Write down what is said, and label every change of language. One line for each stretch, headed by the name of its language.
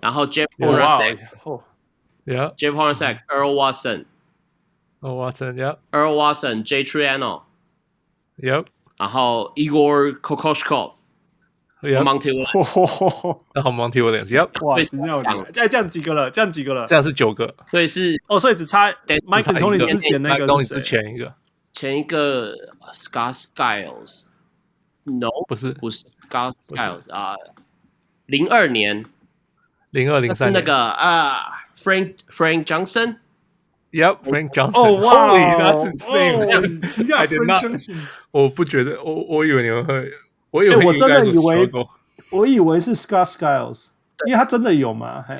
Chinese: 然后 Jeff Hornacek,
English: Yeah. Jeff Hornacek, Earl Watson, Earl Watson, Yep. Earl Watson, Jay Triano, Yep.
Chinese: 然后 Igor Kokoschkov. Monty Williams， 然后 Monty Williams， 要哇，这样这样几个了，这样几个了，这样是九个，所以是哦，所以只差 Mike and Tony 之前那个东西是前一个，前一个 Scott Skiles， No，不是不是 Scott Skiles 啊，零二年， 2002-03 是那个啊 Frank Johnson，
English: Yep Frank Johnson， Oh wow， Holy, that's insane， Yeah Frank Johnson，
Chinese: 我不觉得，我以为你们会。我真的以为，我以为是 Scott Skiles， 因为他真的有吗？